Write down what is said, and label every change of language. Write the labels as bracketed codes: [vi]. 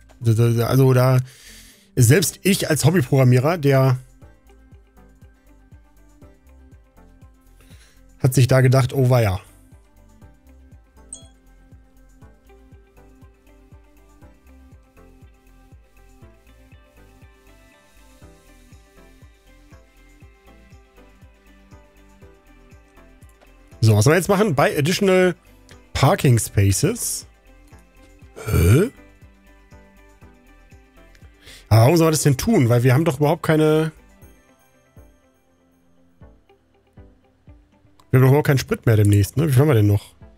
[de] Also da selbst ich als Hobbyprogrammierer, der hat sich da gedacht, oh weia. So, was soll man jetzt machen? [en] Buy additional parking spaces. Hä? [de] Aber warum soll man das denn tun? Weil wir haben doch überhaupt keine... Wir haben doch überhaupt keinen Sprit mehr demnächst, ne? Wie viel haben wir denn noch?